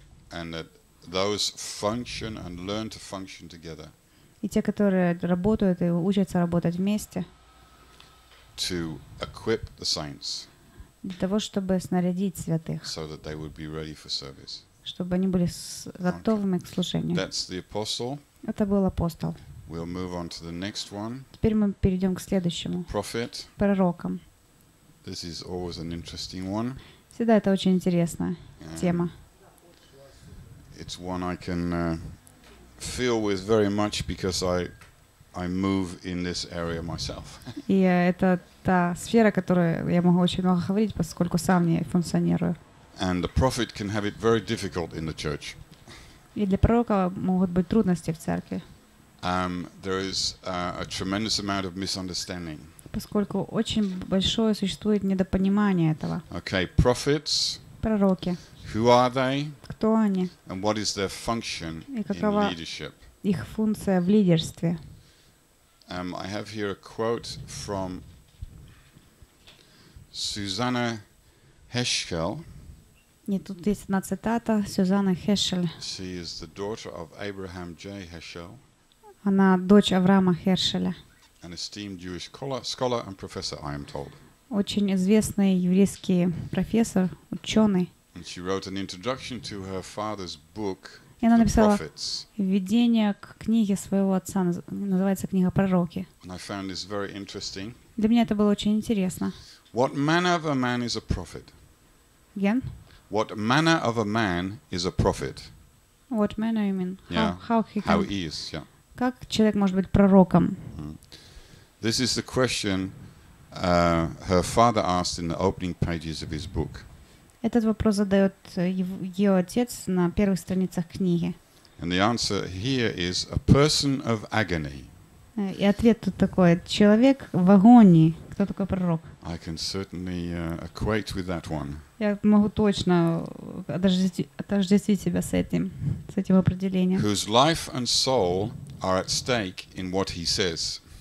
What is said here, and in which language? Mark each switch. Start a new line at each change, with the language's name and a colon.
English: And that those function and learn to function together.
Russian: И те, которые работают и учатся работать вместе.
English: To equip the saints.
Russian: Для того, чтобы снарядить святых.
English: So that they would be ready for service.
Russian: Чтобы они были готовыми к служению.
English: That's the apostle.
Russian: Это был апостол.
English: We'll move on to the next one.
Russian: Теперь мы перейдем к следующему.
English: Prophet.
Russian: Пророкам.
English: This is always an interesting one.
Russian: Всегда это очень интересная тема.
English: It's one I can feel with very much because I move in this area myself.
Russian: И это та сфера, о которой я могу очень много говорить, поскольку сам в ней функционирую.
English: And the prophet can have it very difficult in the church.
Russian: И для пророка могут быть трудности в церкви.
English: There is a tremendous amount of misunderstanding.
Russian: Поскольку очень большое существует недопонимание этого.
English: Okay, prophets.
Russian: Пророки.
English: Who are they?
Russian: Кто они?
English: And what is their function in leadership?
Russian: Их функция в лидерстве.
English: I have here a quote from Susanna Heschel.
Russian: Нет, тут есть одна цитата Сюзанны Хешель.
English: She is the daughter of Abraham J. Heschel.
Russian: Она дочь Авраама Хершеля.
English: An esteemed Jewish scholar and professor, I am told.
Russian: Очень известный еврейский профессор, ученый.
English: And she wrote an introduction to her father's book.
Russian: И она написала
English: Prophets.
Russian: Введение к книге своего отца, называется книга «Пророки».
English: I found this very interesting.
Russian: Для меня это было очень интересно.
English: What manner of a man is a prophet? Again? What manner of a man is a prophet? What manner you mean? Yeah. How he is? Yeah.
Russian: Как человек может быть пророком?
English: This is the question her father asked in the opening pages of his book.
Russian: Этот вопрос задает ее отец на первых страницах книги.
English: And the answer here is a person of agony.
Russian: И ответ тут такой: человек в агонии. Кто такой пророк?
English: I can certainly equate with that one.
Russian: Я могу точно отождествить себя с этим определением.
English: Whose life and soul are at stake in what he says.